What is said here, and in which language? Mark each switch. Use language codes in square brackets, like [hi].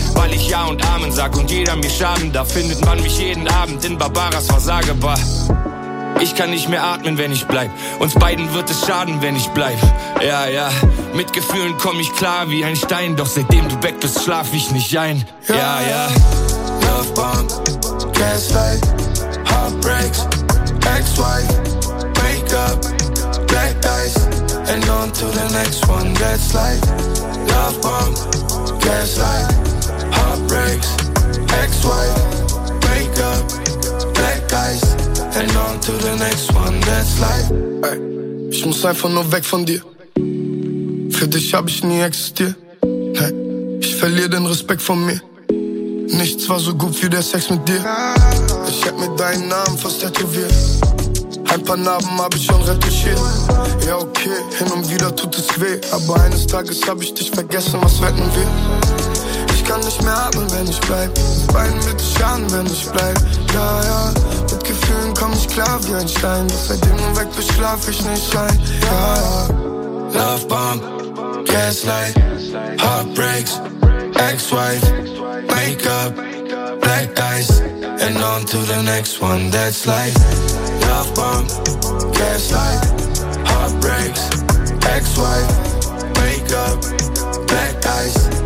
[de] Weil ich Ja und Amen sag und jeder mir schaden, da findet man mich jeden Abend in Barbaras Versagebar. Ich kann nicht mehr atmen, wenn ich bleib. Uns beiden wird es schaden, wenn ich bleib. Ja, ja, mit Gefühlen komm ich klar wie ein Stein. Doch seitdem du weg bist, schlaf ich nicht ein. Ja, ja. [en] Love bomb, gaslight, heartbreaks, ex-wife, break up, black eyes, and on to the next one. That's life. Love bomb, gaslight, heartbreaks, ex-wife, break up, black eyes. And on to the next one, that's life. [de] Ey, ich muss einfach nur weg von dir. Für dich hab ich nie existiert. Hey, ich verliere den Respekt von mir. Nichts war so gut wie der Sex mit dir. Ich hab mir deinen Namen fast tätowiert. Ein paar Narben hab ich schon retuschiert. Ja, okay, hin und wieder tut es weh. Aber eines Tages hab ich dich vergessen, was wetten wir? Ich kann nicht mehr atmen, wenn ich bleib. Beine mit dich an, wenn ich bleib. Ja, ja, mit Gefühlen komm ich klar wie ein Stein. Doch seitdem du weg bist, schlaf ich nicht ein. Ja, ja. [en] Love bomb, gaslight, heartbreaks, ex-wife, makeup, black eyes, and on to the next one, that's life. Love bomb, gaslight, heartbreaks, ex-wife, makeup, black eyes.